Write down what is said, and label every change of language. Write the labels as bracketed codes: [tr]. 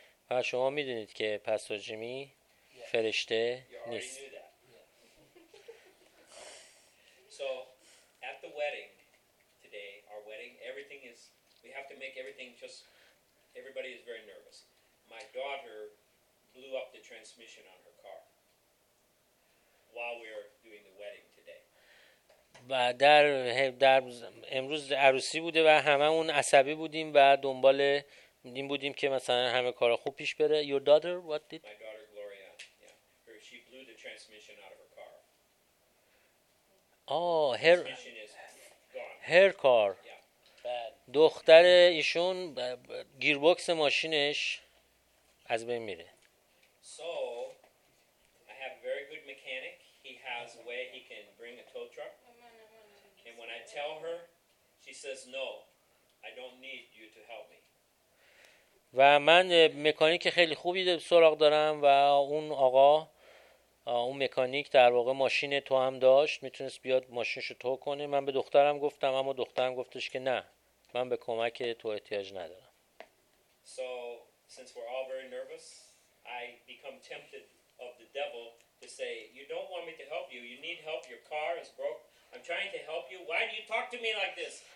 [fa] و شما میدونید که پستر جیمی فرشته نیست. [en] So at the wedding today, our wedding, everything is, we have to make everything just, everybody is very nervous. My daughter blew up the transmission on her car while we are doing the wedding today. [fa] و در امروز عروسی بوده و همه اون عصبی بودیم و دنبال این بودیم که مثلا همه کارا خوب پیش بره. [en] Your daughter, what did? My daughter Gloria, yeah. Her, she blew the transmission out of her car. Oh, her her car. Yeah. Bad. [fa] دختر ایشون گیرباکس ماشینش از بین میره. [en] So, I have a very good mechanic. He has a way he can bring a tow truck. And when I tell her, she says, no, I don't need you to help me. [fa] و من مکانیک خیلی خوبی سراغ دارم و اون آقا، اون مکانیک در واقع ماشین تو هم داشت، میتونست بیاد ماشینشو تو کنه. من به دخترم گفتم، اما دخترم گفتش که نه، من به کمک تو احتیاج ندارم. [en] So since we're all very nervous, I become tempted of the devil to say, you don't want me to help you, you need help, your car is broke, I'm trying to help you, why do you talk to me like this?